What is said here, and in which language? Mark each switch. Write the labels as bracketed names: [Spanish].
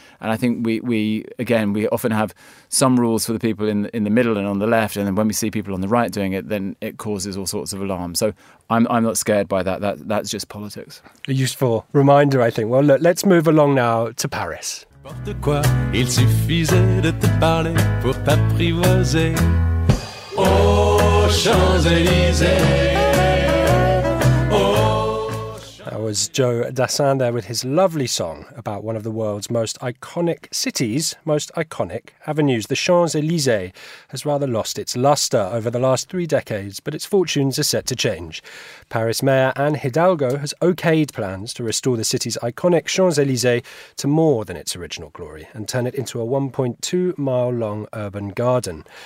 [English] And I think we often have some rules for the people in the middle and on the left. And then when we see people on the right doing it, then it causes all sorts of alarm. So I'm not scared by that. That's just politics. A useful reminder, I think. Well, look, let's move along now to Paris. [French] Il suffisait de te parler pour t'apprivoiser aux Champs-Élysées. [English] That was Joe Dassin there with his lovely song about one of the world's most iconic cities, most iconic avenues. The Champs-Élysées has rather lost its luster over the last three decades, but its fortunes are set to change. Paris Mayor Anne Hidalgo has okayed plans to restore the city's iconic Champs-Élysées to more than its original glory and turn it into a 1.2-mile-long urban garden.